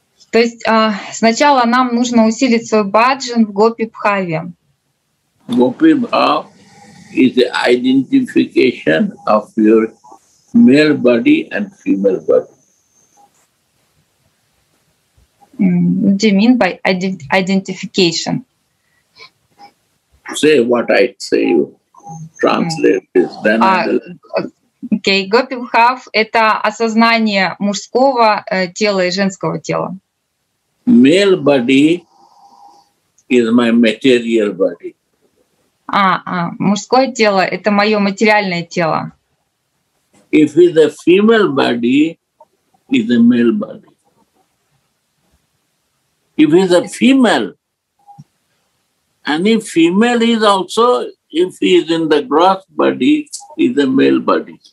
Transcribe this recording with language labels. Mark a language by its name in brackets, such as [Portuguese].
[Russian] То есть сначала нам нужно усилить свой баджан в Гопи Бхаве. [English] Гопи Бхав is the identification of your male body and female body. What do you mean by identification? Say what I say. Translate this. Then [Russian] Okay, Гопи Бхав — это осознание мужского тела и женского тела. [English] Male body is my material body. [Russian] Мужское тело — это моё материальное тело. [English] If it's a female body, it's a male body. If it's a female, any female is also, if he is in the gross body, is a male body.